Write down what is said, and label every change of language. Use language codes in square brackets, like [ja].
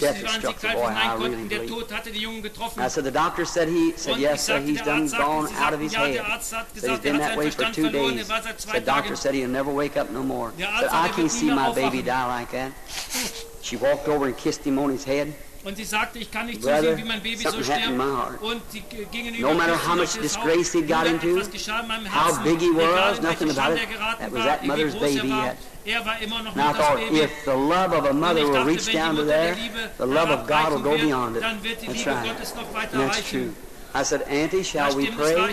[en] Death had struck the boy. I really believe. [de] Der Tod hatte den Jungen getroffen. [en] I said, the doctor said he said [de] und [en] yes, sir. He's done gone out of his head. [de] Der Arzt hat gesagt, [en] so he's been that way for 2 days. The doctor said he'll never wake up no more. Said, I can't see my baby die like that. She walked over and kissed him on his head. [de] Und sie sagte, ich kann nicht zusehen, wie mein Baby so stirbt. Und sie gingen [en] no matter how much disgrace he got into, how big he was, nothing about it, that was that mother's baby yet. And I thought, if the love of a mother will reach down to there, the love of God will go beyond it. That's right. That's true. I said, Auntie, shall we pray?